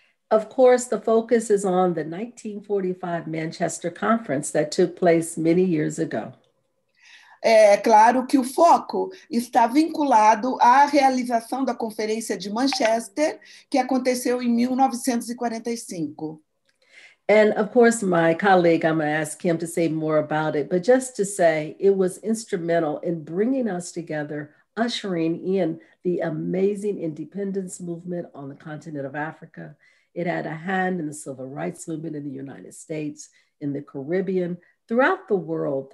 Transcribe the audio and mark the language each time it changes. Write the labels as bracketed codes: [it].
[en] Of course, the focus is on the 1945 Manchester Conference that took place many years ago. [pt] É claro que o foco está vinculado à realização da Conferência de Manchester, que aconteceu em 1945. [en] And of course, my colleague, I'm going to ask him to say more about it, but just to say it was instrumental in bringing us together, ushering in the amazing independence movement on the continent of Africa. It had a hand in the civil rights movement in the United States, in the Caribbean, throughout the world.